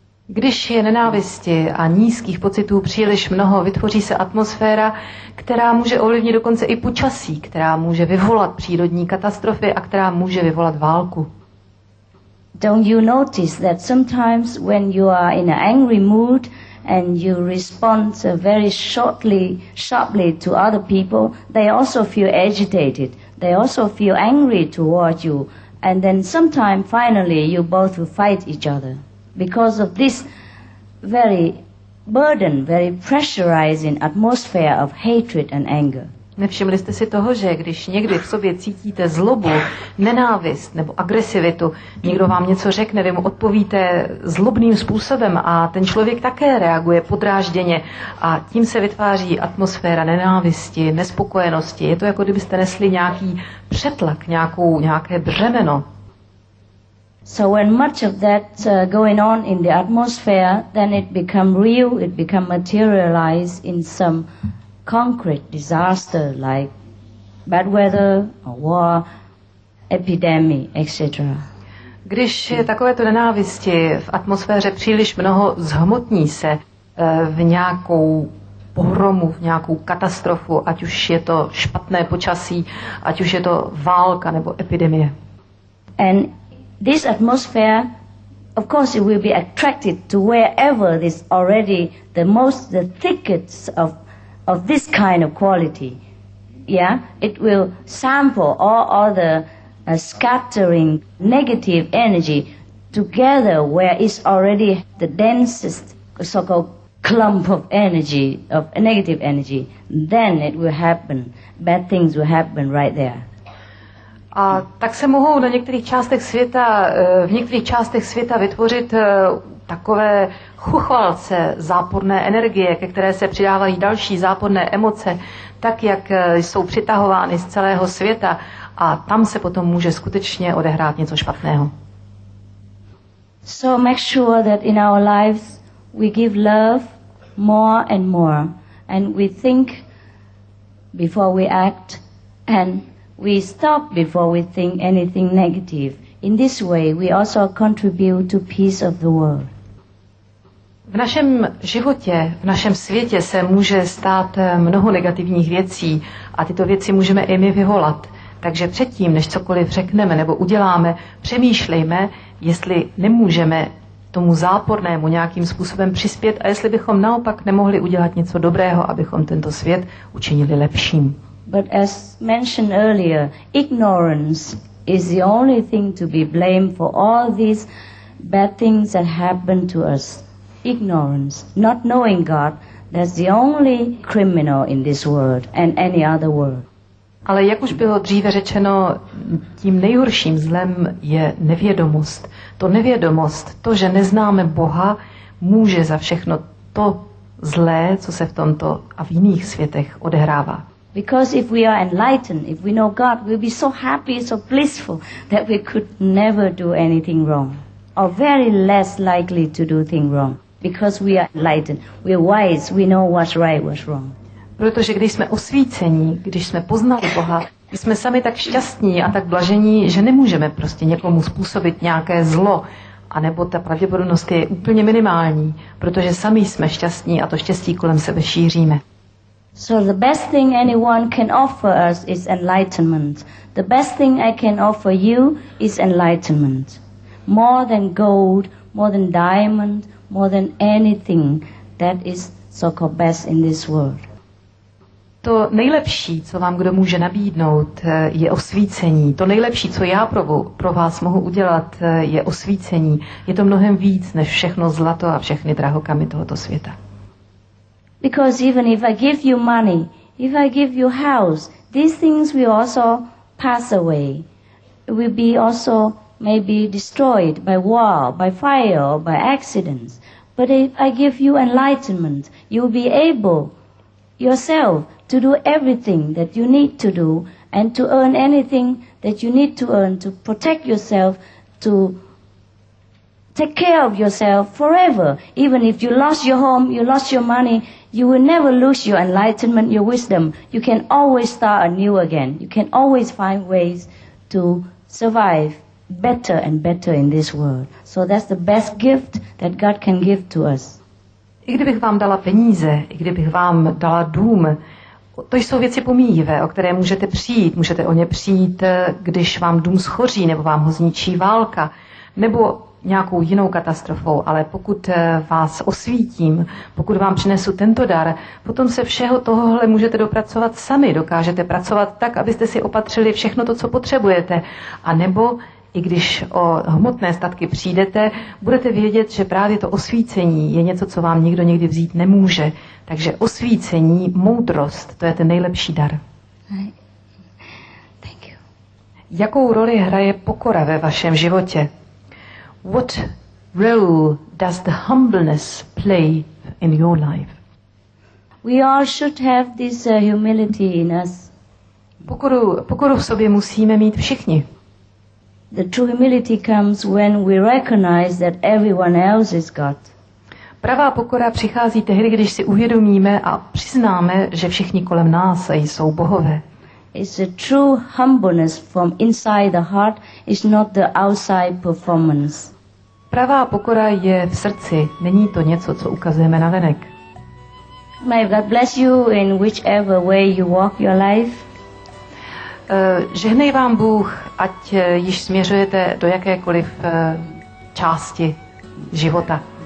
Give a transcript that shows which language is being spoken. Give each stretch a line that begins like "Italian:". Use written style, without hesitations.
Czech: Když je nenávisti a nízkých pocitů příliš mnoho, vytvoří se atmosféra, která může ovlivnit dokonce i počasí, která může vyvolat přírodní katastrofy a která může vyvolat válku.
English: Don't you notice that sometimes when you are in an angry mood and you respond very sharply to other people, they also feel agitated. They also feel angry toward you, and then sometime finally you both will fight each other. Because of this very burden, very pressurizing atmosphere of hatred and anger.
Czech: Nevšimli jste si toho, že když někdy v sobě cítíte zlobu, nenávist nebo agresivitu, někdo vám něco řekne, vy mu odpovíte zlobným způsobem a ten člověk také reaguje podrážděně a tím se vytváří atmosféra nenávisti, nespokojenosti. Je to jako kdybyste nesli nějaký přetlak, nějaké břemeno.
English: So when much of that going on in the atmosphere, then it become real, it become materialized in some concrete disaster like bad weather, a war, epidemic, etc.
Czech: Když je takovéto nenávisti v atmosféře příliš mnoho, zhmotní se v nějakou pohromu, v nějakou katastrofu, ať už je to špatné počasí, ať už je to válka nebo epidemie.
English: And this atmosphere, of course, it will be attracted to wherever this already the thickets of this kind of quality. Yeah, it will sample all the scattering negative energy together where it's already the densest so-called clump of energy, of negative energy. Then it will happen. Bad things will happen right there.
Czech: A tak se mohou na některých částech světa, v některých částech světa vytvořit takové chuchvalce záporné energie, ke které se přidávají další záporné emoce, tak jak jsou přitahovány z celého světa, a tam se potom může skutečně odehrát něco špatného.
English: So make sure that in our lives we give love more and more, and we think before we act, and we stop before we think anything negative. In this way, we also contribute to peace of the world.
Czech: V našem životě, v našem světě se může stát mnoho negativních věcí a tyto věci můžeme i my vyvolat. Takže předtím, než cokoliv řekneme nebo uděláme, přemýšlejme, jestli nemůžeme tomu zápornému nějakým způsobem přispět a jestli bychom naopak nemohli udělat něco dobrého, abychom tento svět učinili lepším.
English: But as mentioned earlier, ignorance is the only thing to be blamed for all these bad things that happen to us. Ignorance, not knowing God, that's the only criminal in this world and any other world.
Czech: Ale jak už bylo dříve řečeno, tím nejhorším zlem je nevědomost. To nevědomost, to, že neznáme Boha, může za všechno to zlé, co se v tomto a v jiných světech odehrává.
English: Because if we are enlightened, if we know God, we'll be so happy, so blissful, that we could never do anything wrong, or very less likely to do things wrong, because we are enlightened, we're wise, we know what's right, what's wrong.
Czech: Protože když jsme osvícení, když jsme poznali Boha, jsme sami tak šťastní a tak blažení, že nemůžeme prostě někomu způsobit nějaké zlo, anebo ta pravděpodobnost je úplně minimální, protože sami jsme šťastní a to štěstí kolem sebe šíříme.
English: So the best thing anyone can offer us is enlightenment. The best thing I can offer you is enlightenment. More than gold, more than diamond, more than anything that is so-called best in this world.
Czech: To nejlepší, co vám kdo může nabídnout, je osvícení. To nejlepší, co já pro vás mohu udělat, je osvícení. Je to mnohem víc než všechno zlato a všechny drahokamy tohoto světa.
English: Because even if I give you money, if I give you house, these things will also pass away. It will be also maybe destroyed by war, by fire, or by accidents. But if I give you enlightenment, you will be able yourself to do everything that you need to do and to earn anything that you need to earn to protect yourself, to take care of yourself forever. Even if you lost your home, you lost your money, you will never lose your enlightenment, your wisdom. You can always start anew again. You can always find ways to survive better and better in this world. So that's the best gift that God can give to us.
Czech: I kdybych vám dala peníze, i kdybych vám dala dům, to jsou věci pomíjivé, o které můžete přijít. Můžete o ně přijít, když vám dům schoří, nebo vám ho zničí válka, nebo nějakou jinou katastrofou, ale pokud vás osvítím, pokud vám přinesu tento dar, potom se všeho tohohle můžete dopracovat sami, dokážete pracovat tak, abyste si opatřili všechno to, co potřebujete. A nebo, i když o hmotné statky přijdete, budete vědět, že právě to osvícení je něco, co vám nikdo nikdy vzít nemůže. Takže osvícení, moudrost, to je ten nejlepší dar.
English: Thank you.
Czech: Jakou roli hraje pokora ve vašem životě?
English: What role does the humbleness play in your life? We all should have this humility in us.
Czech: Pokoru v sobě musíme mít všichni.
English: The true humility comes when we recognize that everyone else is God.
Czech: Pravá pokora přichází tehdy, když si uvědomíme a přiznáme, že všichni kolem nás jsou bohové.
English: It's a true humbleness from inside the heart, it's not the outside performance.
Czech: Pravá pokora je v srdci, není to něco, co ukazujeme na venek.
English: May God bless you in whichever way you walk your life.
Czech: Žehnej vám Bůh, ať již směřujete do jakékoliv části života.